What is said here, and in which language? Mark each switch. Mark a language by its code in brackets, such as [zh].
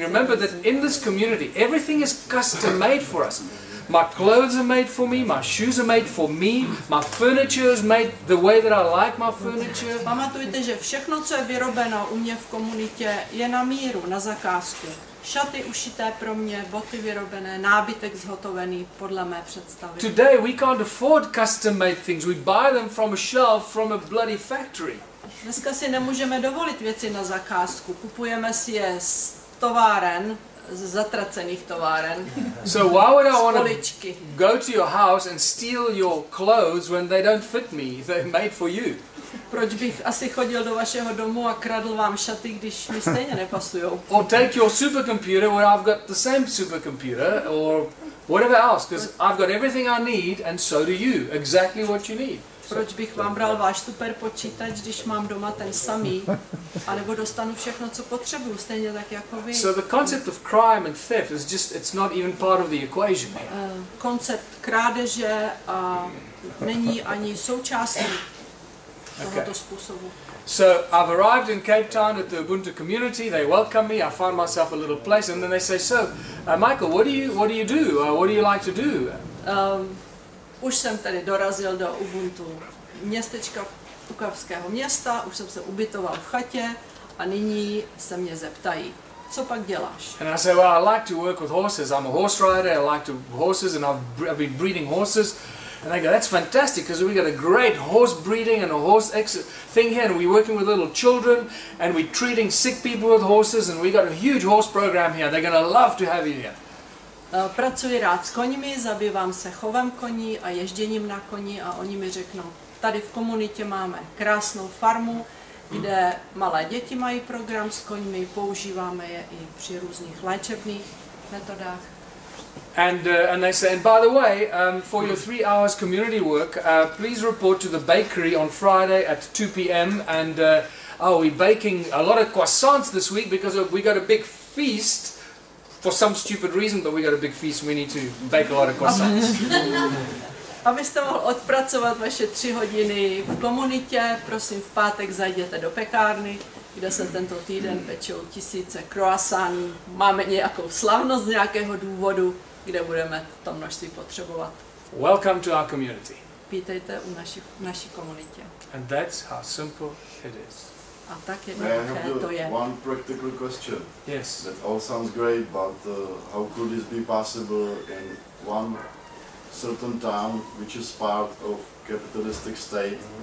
[en] Remember that in this community, everything is custom made for us. My clothes are made for me, my shoes are made for me, my furniture is made the way that I like my furniture. [cs] Pamatujte, že všechno, co je vyrobeno u mě v komunitě, je na míru, na zakázku. Šaty ušité pro mě, boty vyrobené, nábytek zhotovený podle mé představy. [en] Today we can't afford custom-made things. We buy them from a shelf from a bloody factory. [cs] Dneska si nemůžeme dovolit věci na zakázku. Kupujeme si je z továren, z zatracených továren. [en] So why would I want to go to your house and steal your clothes when they don't fit me? They're made for you. [cs] Proč bych asi chodil do vašeho domu a kradl vám šaty, když mi stejně nepasujou? [en] Or take your supercomputer where I've got the same supercomputer or whatever else, because I've got everything I need and so do you, exactly what you need. [cs] proč bych vám bral váš super počítač, když mám doma ten samý, anebo dostanu všechno, co potřebuju, stejně tak jako vy. [en] So the concept of crime and theft is just, it's not even part of the equation. [cs] Koncept krádeže není ani součástí tohoto způsobu. [en] So I've arrived in Cape Town at the Ubuntu community. They welcome me. I find myself a little place, and then they say, "So, Michael, what do you do? What do you like to do?" [cs] Už jsem tady dorazil do Ubuntu městečka Pukavského města. Už jsem se ubytoval v chatě, a nyní se mě zeptají, co pak děláš. [en] And I say, "Well, I like to work with horses. I'm a horse rider. I like to horses, and I've been breeding horses." And I go, "That's fantastic, because we got a great horse breeding and a horse thing here, and we're working with little children, and we're treating sick people with horses, and we got a huge horse program here. They're going to love to have you here." [cs] Pracuji rád s koňmi, zabývám se chovem koní a ježděním na koni, a oni mi řeknou, tady v komunitě máme krásnou farmu, kde malé děti mají program s koňmi, používáme je i při různých léčebných metodách. [en] And they say, "And by the way, for your 3 hours community work, please report to the bakery on Friday at 2 p.m. And we're baking a lot of croissants this week because we got a big feast for some stupid reason. But we got a big feast. We need to bake a lot of croissants." [cs] Abyste mohl odpracovat vaše 3 hodiny v komunitě, prosím v pátek zajděte do pekárny, kde se tento týden pečou tisíce croissantů. Máme nějakou slavnost z nějakého důvodu, kde budeme to množství potřebovat. [en] Welcome to our community. [cs] Vítejte u naší komunitě. [en] And that's how simple it is. [cs] A tak jednoduché to je. [en] One practical question. Yes. That all sounds great, but how could this be possible in one certain town, which is part of capitalistic state?